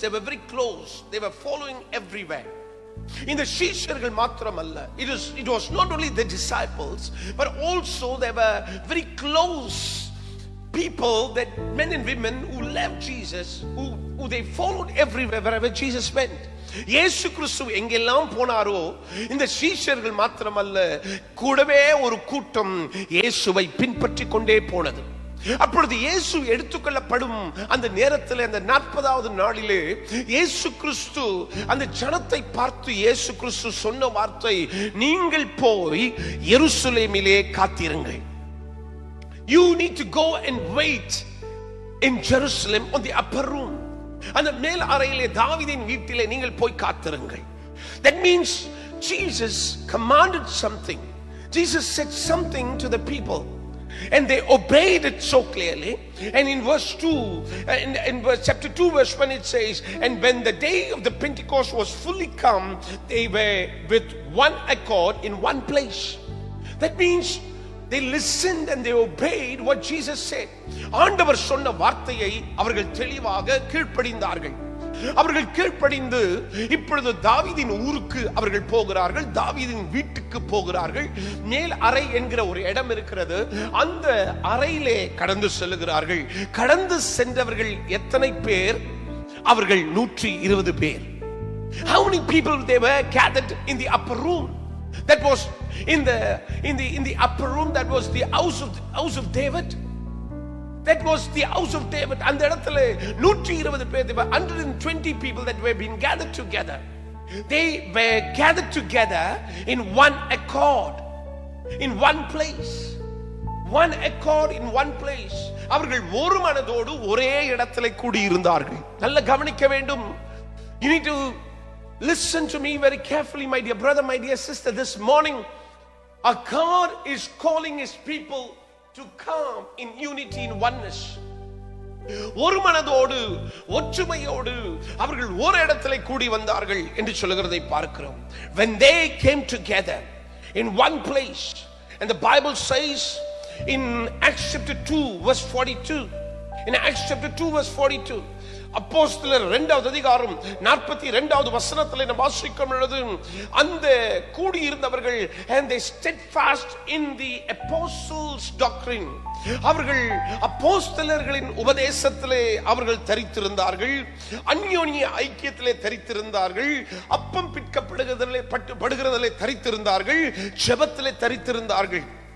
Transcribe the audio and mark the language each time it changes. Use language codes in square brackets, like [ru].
[en] They were very close. They were following everywhere. In the [ta] sheeshargal matramalla, [en] it was not only the disciples, but also there were very close people, that men and women who loved Jesus, who they followed everywhere, wherever Jesus went. [ta] இயேசு கிறிஸ்து எங்கெல்லாம் போனாரோ இந்த சீஷர்கள் மாத்திரமல்ல, கூடவே ஒரு கூட்டம் இயேசுவை பின்பற்றி கொண்டே போனது. அப்பொழுது இயேசு எடுத்துக்கொள்ளப்படும் அந்த நேரத்தில், அந்த 40th நாளிலே, இயேசு கிறிஸ்து அந்த ஜனத்தை பார்த்து இயேசு கிறிஸ்து சொன்ன வார்த்தை, நீங்கள் போய் எருசலேமிலே காத்திருங்கள். [en] You need to go and wait in Jerusalem on the upper room. [ta] அந்த மேல் அறையிலே, தாவீதின் வீட்டிலே நீங்கள் போய் காத்திருங்கள். [en] That means Jesus commanded something. Jesus said something to the people, and they obeyed it so clearly. And in verse 2, in verse chapter 2 verse 1, it says, and when the day of the Pentecost was fully come, they were with one accord in one place. That means they listened and they obeyed what Jesus said. [ta] ஆண்டவர் சொன்ன வார்த்தையை அவர்கள் தெளிவாக கீழ்ப்படிந்தார்கள். அவர்கள் கீழ்ப்படிந்து இப்பொழுது தாவீதின் ஊருக்கு அவர்கள் போகிறார்கள், தாவீதின் வீட்டுக்கு போகிறார்கள். மேல் அறை என்கிற ஒரு இடம் இருக்கிறது, அந்த அறையிலே கடந்து செல்கிறார்கள். கடந்து சென்றவர்கள் எத்தனை பேர்? அவர்கள் 120 பேர். [en] How many people they were gathered in the upper room? That was in the upper room, that was the house of David. That was the house of David. And there were 120 people that were being gathered together. They were gathered together in one accord, in one place. One accord in one place. [ta] அவர்கள் ஒரு மனதோடு ஒரே இடத்துல கூடியிருந்தார்கள். நல்ல கவனிக்க வேண்டும். [en] You need to listen to me very carefully, my dear brother, my dear sister. This morning, a God is calling his people to come in unity, in oneness. [ta] ஒரு மனதோடு, ஒற்றுமையோடு அவர்கள் ஒரு இடத்துல கூடி வந்தார்கள் என்று சொல்லுகிறதை பார்க்கிறோம். [en] When they came together in one place, and the Bible says in Acts chapter 2 verse 42, in Acts chapter 2 verse 42, [ta] அப்போஸ்தலர் 2 அதிகாரம் 42 வசனத்தில் நாம் வாசிக்கும் பொழுது, அந்த கூடி இருந்தவர்கள், [en] and they steadfast in the apostles' doctrine, [ta] அவர்கள் அப்போஸ்தலர்களின் உபதேசத்திலே அவர்கள் தரித்திருந்தார்கள், அந்யோனிய ஐக்கியத்திலே தரித்திருந்தார்கள், அப்பம் பிட்கப்படுகிறதிலே தரித்திருந்தார்கள், ஜெபத்திலே தரித்திருந்தார்கள்.